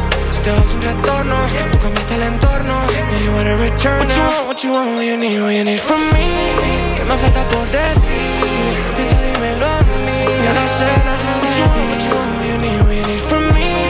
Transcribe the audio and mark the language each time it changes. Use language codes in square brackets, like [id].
[es] Si te vas un retorno, tú cambiaste el entorno. [en] Now you wanna return. What you want, what you need from me. [es] Que me falta por decir, piensa dímelo a mí. Ya no sé nada de ti. [en] What you want, what you need from me.